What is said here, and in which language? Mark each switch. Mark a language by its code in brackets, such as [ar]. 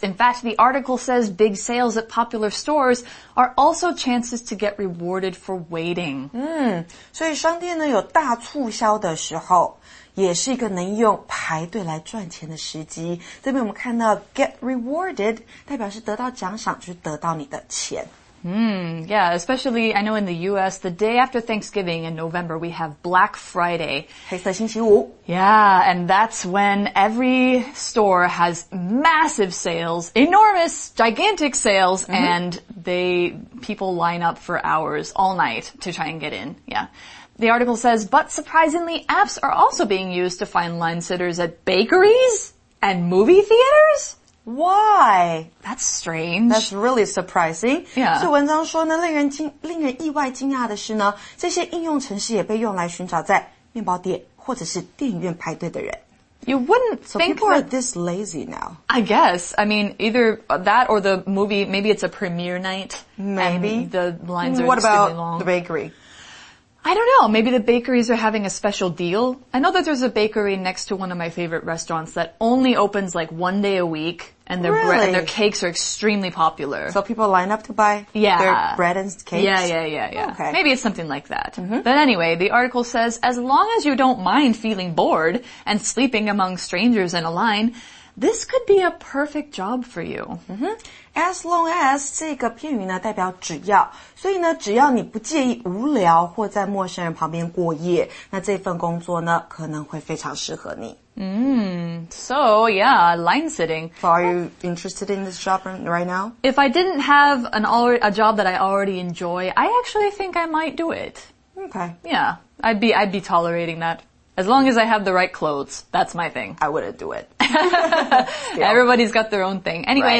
[en] In fact, the article says big sales at popular stores are also chances to get rewarded for waiting. [zh] 所以商店呢有大促销的时候也是一个能用排队来赚钱的时机。这边我们看到 get rewarded 代表是得到奖赏就是得到你的钱。 [en] Yeah, especially I know in the US, the day after Thanksgiving in November, we have Black Friday. [zh] 黑色星期五。 [en] Yeah, and that's when every store has massive sales, enormous, gigantic sales, and people line up for hours all night to try and get in. Yeah. The article says, but surprisingly, apps are also being used to find line sitters at bakeries and movie theaters? Why? That's strange. That's really surprising. Yeah. [zh] 所以文章说呢，令人意外惊讶的是呢，这些应用程式也被用来寻找在面包店或者是电影院排队的人。 [en] You wouldn't think people are this lazy now. I guess. I mean, either that or the movie, maybe it's a premiere night. Maybe. And the lines are long. What about the bakery? I don't know. Maybe the bakeries are having a special deal. I know that there's a bakery next to one of my favorite restaurants that only opens like one day a week. And their really? Bread and their cakes are extremely popular. So people line up to buy their bread and cakes? Yeah. Okay. Maybe it's something like that. Mm-hmm. But anyway, the article says, as long as you don't mind feeling bored and sleeping among strangers in a line, this could be a perfect job for you. Mm-hmm. [zh] As long as 这个片语呢代表只要，所以呢只要你不介意无聊或在陌生人旁边过夜，那这份工作呢可能会非常适合你。 [en] So yeah, line sitting. So are you interested in this job right now? If I didn't have a job that I already enjoy, I actually think I might do it. Okay. Yeah, I'd be tolerating that. As long as I have the right clothes, that's my thing. I wouldn't do it. Everybody's got their own thing. Anyway,